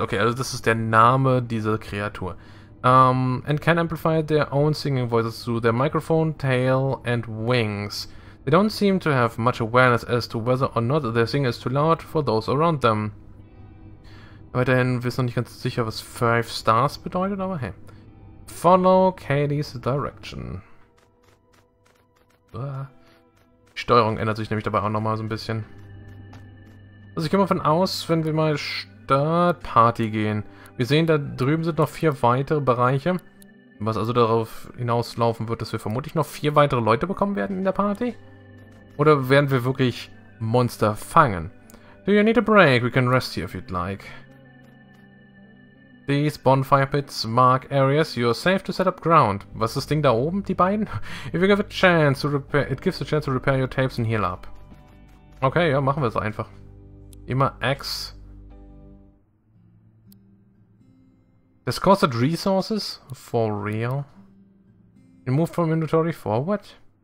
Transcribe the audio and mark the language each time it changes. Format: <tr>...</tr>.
<de>Okay, also das ist der Name dieser Kreatur.</de> <en>And can amplify their own singing voices through their microphone, tail and wings. They don't seem to have much awareness as to whether or not their singing is too loud for those around them.</en> <de>Weiterhin wissen wir nicht ganz sicher, was 5 Stars bedeutet, aber hey.</de> <en>Follow Katie's direction.</en> <de>Die Steuerung ändert sich nämlich dabei auch nochmal so ein bisschen. Also ich gehe mal davon aus, wenn wir mal Startparty gehen. Wir sehen, da drüben sind noch 4 weitere Bereiche. Was also darauf hinauslaufen wird, dass wir vermutlich noch 4 weitere Leute bekommen werden in der Party. Oder werden wir wirklich Monster fangen?</de> <en>Do you need a break? We can rest here if you'd like. These bonfire pits mark areas. You're safe to set up ground.</en> <de>Was ist das Ding da oben, die beiden?</de> <en>If you give a chance to repair, it gives a chance to repair your tapes and heal up.</en> <de>Okay, ja, machen wir es einfach. Immer X.</de> <en>This costed resources? For real? Remove from inventory forward?</en>